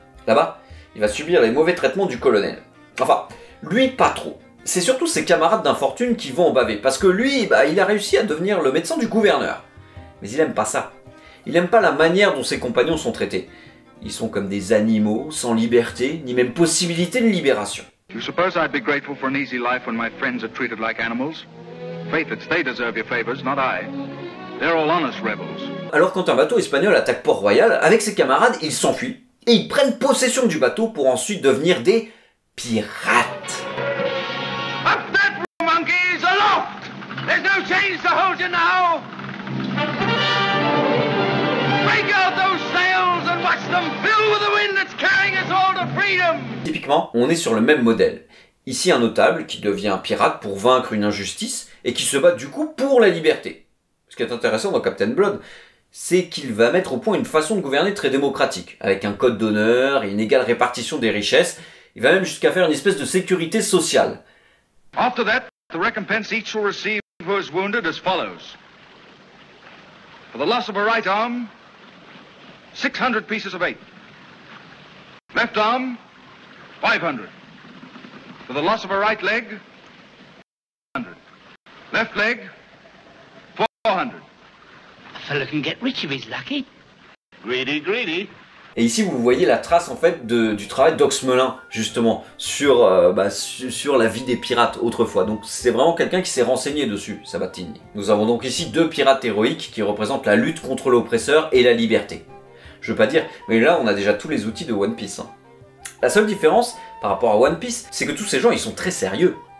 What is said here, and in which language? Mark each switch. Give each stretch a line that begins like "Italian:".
French: Là-bas, il va subir les mauvais traitements du colonel. Enfin, lui, pas trop. C'est surtout ses camarades d'infortune qui vont en baver, parce que lui, il a réussi à devenir le médecin du gouverneur. Mais il aime pas ça. Il aime pas la manière dont ses compagnons sont traités. Ils sont comme des animaux, sans liberté, ni même possibilité de libération.
English: You suppose I'd be grateful for an easy life when my friends are treated like animals? Faith, it's they deserve your favors, not I. They're all honest rebels.
French: Alors quand un bateau espagnol attaque Port-Royal, avec ses camarades, ils s'enfuient et ils prennent possession du bateau pour ensuite devenir des pirates.
English: Up that room, monkeys, aloft! There's no chains to hold you now! Break out those sails and watch them fill with the wind that's carrying us all to freedom!
French: Typiquement, on est sur le même modèle. Ici, un notable qui devient un pirate pour vaincre une injustice et qui se bat du coup pour la liberté. Ce qui est intéressant dans Captain Blood, c'est qu'il va mettre au point une façon de gouverner très démocratique, avec un code d'honneur et une égale répartition des richesses, Il va même jusqu'à faire une espèce de sécurité sociale.
English: After that, the recompense each will receive who is wounded as follows. For the loss of a right arm, 600 pieces of eight. Left arm, 500. For the loss of a right leg, 100. Left leg, 400. A fellow can get rich if he's lucky. Greedy, greedy.
French: Et ici, vous voyez la trace, en fait, du travail d'Oxmelin, justement, sur la vie des pirates autrefois. Donc, c'est vraiment quelqu'un qui s'est renseigné dessus, Sabatini. Nous avons donc ici deux pirates héroïques qui représentent la lutte contre l'oppresseur et la liberté. Je veux pas dire, mais là, on a déjà tous les outils de One Piece. Hein. La seule différence, par rapport à One Piece, c'est que tous ces gens, ils sont très sérieux.